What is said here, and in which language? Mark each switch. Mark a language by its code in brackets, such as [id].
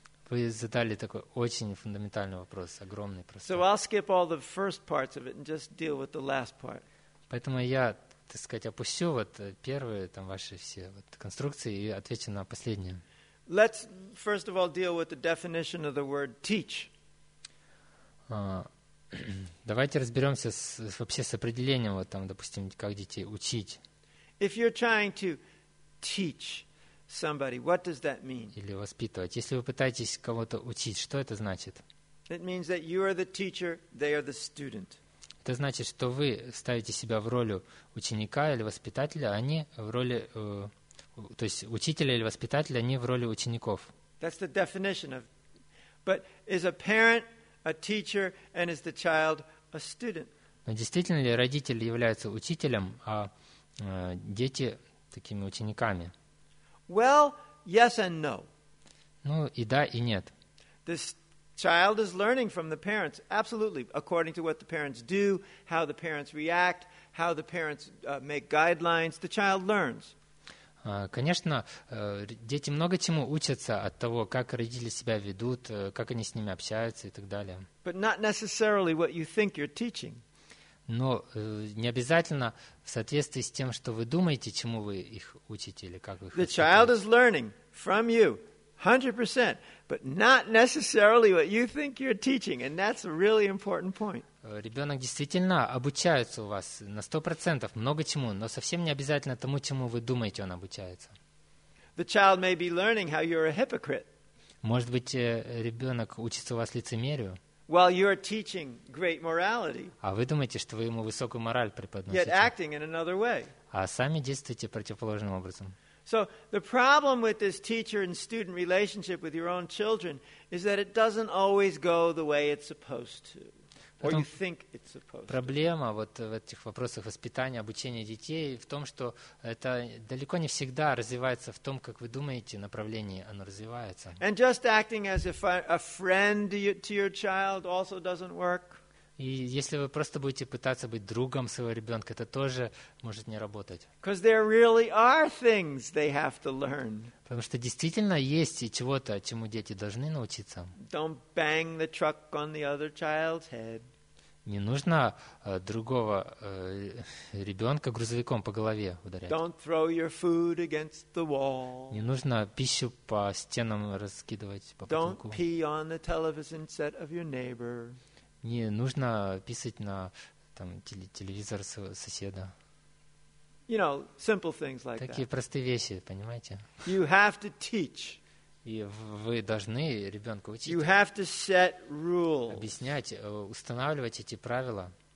[ru] Вы задали такой очень фундаментальный вопрос, огромный просто. [en] So I'll skip all the first parts of it and just deal with the last part. [ru] Поэтому я, так сказать, опущу первые ваши все конструкции и отвечу на последние. [en] Let's first of all deal with the definition of the word teach. [ru] Давайте разберемся вообще с определением допустим, как детей учить. [en] If you're trying to teach somebody, what does that mean? [ru] Или воспитывать. Если вы пытаетесь кого-то учить, что это значит? [en] It means that you are the teacher, they are the student. [ru] Это значит, что вы ставите себя в роль ученика или воспитателя, они в роли, то есть учителя или воспитателя, они в роли учеников. [en] That's the definition of. But is a parent a teacher and is the child a student? [ru] Но действительно ли родители являются учителем, а дети такими учениками? [en] Well, yes and no. [ru] Ну, и да, и нет. [en] This child is learning from the parents, absolutely, according to what the parents do, how the parents react, how the parents make guidelines. The child learns. [ru] Конечно, дети много чему учатся от того, как родители себя ведут, как они с ними общаются и так далее. [en] But not necessarily what you think you're teaching. [ru] Но не обязательно в соответствии с тем, что вы думаете, чему вы их учите или как вы их учите. [en] The child is learning from you. 100%, but not necessarily what you think you're teaching, and that's a really important point. [ru] Ребенок действительно обучается у вас на 100%, много чему, но совсем не обязательно тому, чему вы думаете, он обучается. [en] The child may be learning how you're a hypocrite. [ru] Может быть, ребенок учится у вас лицемерию. [en] While you're teaching great morality. [ru] А вы думаете, что вы ему высокую мораль преподносите. [en] Yet acting in another way. [ru] А сами действуете противоположным образом. [en] So the problem with this teacher and student relationship with your own children is that it doesn't always go the way it's supposed to, or you think it's supposed to. [ru] Проблема вот в этих вопросах воспитания, обучения детей в том, что это далеко не всегда развивается в том, как вы думаете, направлении оно развивается. [en] And just acting as a friend to your child also doesn't work. [ru] И если вы просто будете пытаться быть другом своего ребенка, это тоже может не работать. [en] Because there really are things they have to learn. [ru] Потому что действительно есть чего-то, чему дети должны научиться. [en] Don't bang the truck on the other child's head. [ru] Не нужно другого ребенка грузовиком по голове ударять. [en] Don't throw your food against the wall. [ru] Не нужно пищу по стенам раскидывать, по потолку. [en] Don't pee on the television set of your neighbor. [ru] Не нужно писать на там, телевизор соседа. [en] You know, simple things like [ru] такие [en] that. [ru] Простые вещи, понимаете? [en] You have to teach. [ru] И вы должны ребенку учить. [en] You have to set rules. [ru] Объяснять, устанавливать эти правила.